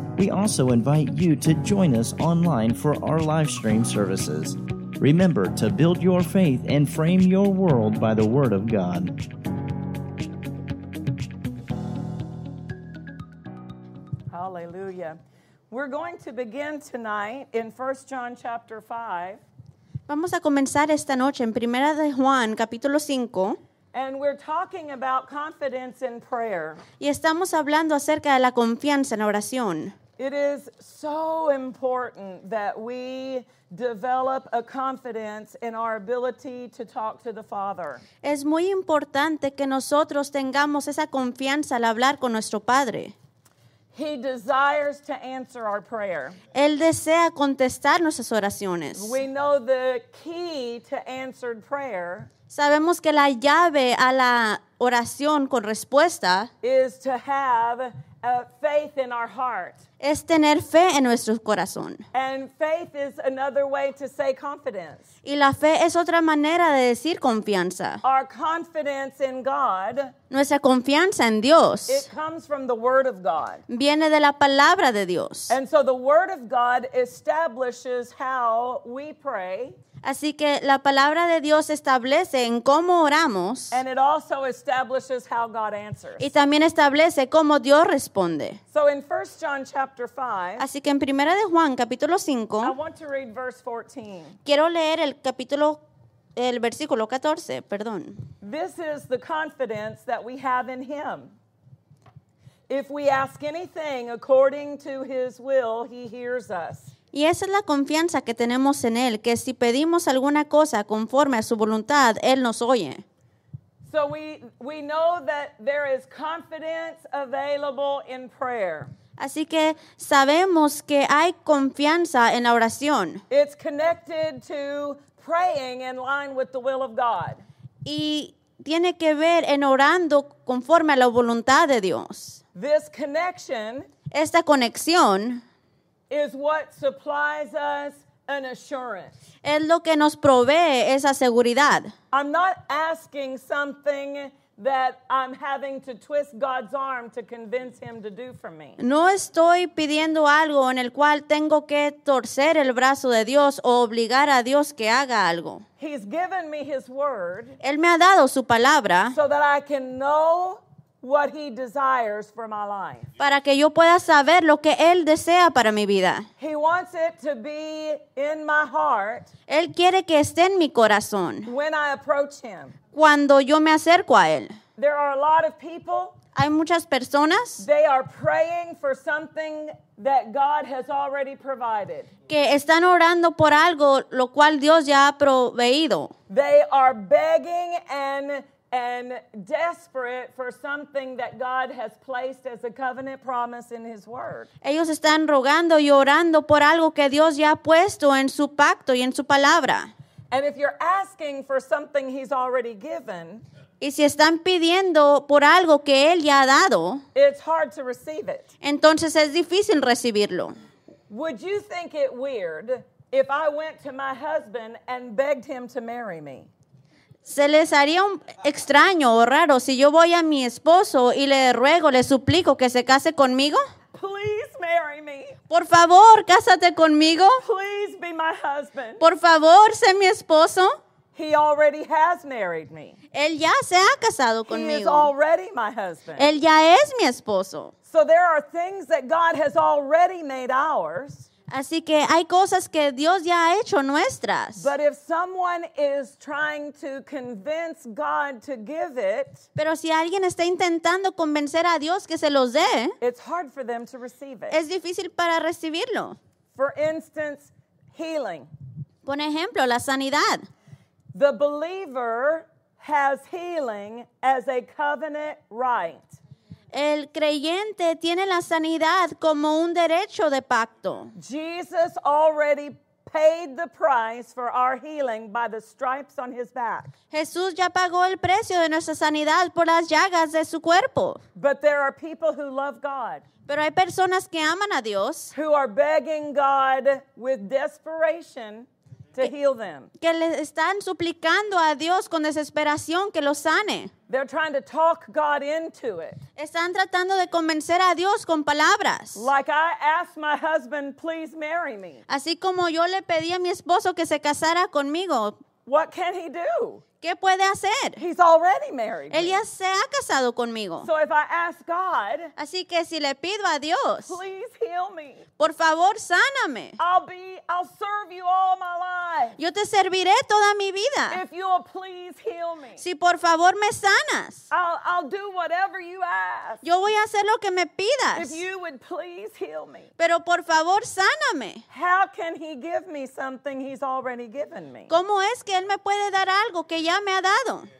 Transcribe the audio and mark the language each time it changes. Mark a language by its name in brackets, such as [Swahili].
[English] We also invite you to join us online for our live stream services. Remember to build your faith and frame your world by the Word of God. Hallelujah. We're going to begin tonight in 1 John chapter 5. [Spanish] Vamos a comenzar esta noche en Primera de Juan, capítulo 5. [English] And we're talking about confidence in prayer. [Spanish] Y estamos hablando acerca de la confianza en oración. [English] It is so important that we develop a confidence in our ability to talk to the Father. [Spanish] Es muy importante que nosotros tengamos esa confianza al hablar con nuestro Padre. [English] He desires to answer our prayer. [Spanish] Él desea contestar nuestras oraciones. [English] We know the key to answered prayer. [Spanish] Sabemos que la llave a la oración con respuesta [English] is to have a faith in our heart. [Spanish] Es tener fe en nuestro corazón. [English] And faith is another way to say confidence. [Spanish] Y la fe es otra manera de decir confianza. [English] Our confidence in God, [Spanish] nuestra confianza en Dios, [English] it comes from the Word of God. [Spanish] Viene de la palabra de Dios. [English] And so the Word of God establishes how we pray. [Spanish] Así que la palabra de Dios establece en cómo oramos. [English] And it also establishes how God answers. [Spanish] Y también establece cómo Dios responde. [English] So in 1 John chapter 5, [Spanish] así que en Primera de Juan capítulo 5, [English] I want to read verse 14. [Spanish] Quiero leer el versículo 14, perdón. [English] This is the confidence that we have in him. If we ask anything according to his will, he hears us. [Spanish] Y esa es la confianza que tenemos en Él, que si pedimos alguna cosa conforme a su voluntad, Él nos oye. [English] So we know that there is confidence available in prayer. [Spanish] Así que sabemos que hay confianza en la oración. [English] It's connected to praying in line with the will of God. [Spanish] Y tiene que ver en orando conforme a la voluntad de Dios. [English] This connection, [Spanish] esta conexión, [English] is what supplies us an assurance. [Spanish] Es lo que nos provee esa seguridad. [English] I'm not asking something that I'm having to twist God's arm to convince him to do for me. [Spanish] No estoy pidiendo algo en el cual tengo que torcer el brazo de Dios o obligar a Dios que haga algo. [English] He's given me his word. [Spanish] Él me ha dado su palabra. [English] So that I can know what he desires for my life. [Spanish] Para que yo pueda saber lo que él desea para mi vida. [English] He wants it to be in my heart. [Spanish] Él quiere que esté en mi corazón. [English] When I approach him. [Spanish] Cuando yo me acerco a él. [English] There are a lot of people. [Spanish] Hay muchas personas. [English] They are praying for something that God has already provided. [Spanish] Que están orando por algo lo cual Dios ya ha proveído. [English] They are begging and desperate for something that God has placed as a covenant promise in his word. [Spanish] Ellos están rogando y orando por algo que Dios ya ha puesto en su pacto y en su palabra. [English] And if you're asking for something he's already given, [Spanish] y si están pidiendo por algo que él ya ha dado, [English] it's hard to receive it. [Spanish] Entonces es difícil recibirlo. [English] Would you think it weird if I went to my husband and begged him to marry me? [Spanish] Se les haría extraño o raro si yo voy a mi esposo y le ruego, le suplico que se case conmigo. [English] Please marry me. [Spanish] Por favor, cásate conmigo. [English] Please be my husband. [Spanish] Por favor, sé mi esposo. [English] He already has married me. [Spanish] Él ya se ha casado conmigo. [English] He is already my husband. [Spanish] Él ya es mi esposo. [English] So there are things that God has already made ours. [Spanish] Así que hay cosas que Dios ya ha hecho nuestras. [English] But if someone is trying to convince God to give it, [Spanish] pero si alguien está intentando convencer a Dios que se los dé, [English] it's hard for them to receive it. [Spanish] Es difícil para recibirlo. [English] For instance, healing. [Spanish] Por ejemplo, la sanidad. [English] The believer has healing as a covenant right. [Spanish] El creyente tiene la sanidad como un derecho de pacto. [English] Jesus already paid the price for our healing by the stripes on his back. [Spanish] Jesús ya pagó el precio de nuestra sanidad por las llagas de su cuerpo. [English] But there are people who love God. [Spanish] Pero hay personas que aman a Dios. [English] Who are begging God with desperation to heal them. [Spanish] Que le están suplicando a Dios con desesperación que los sane. [English] They're trying to talk God into it. [Spanish] Están tratando de convencer a Dios con palabras. [English] Like I asked my husband, please marry me. [Spanish] Así como yo le pedí a mi esposo que se casara conmigo. [English] What can he do? [Spanish] ¿Qué puede hacer? [English] He's already married. [Spanish] Él ya se ha casado conmigo. [English] So if I ask God, [Spanish] así que si le pido a Dios, [English] please heal me. [Spanish] Por favor, sáname. [English] I'll serve you all my life. [Spanish] Yo te serviré toda mi vida. [English] If you'll please heal me. [Spanish] Si por favor me sanas. [English] I'll do whatever you ask. [Spanish] Yo voy a hacer lo que me pidas. [English] If you would please heal me. [Spanish] Pero por favor, sáname. [English] How can he give me something he's already given me? [Spanish] ¿Cómo es que él me puede dar algo que ya me ha dado?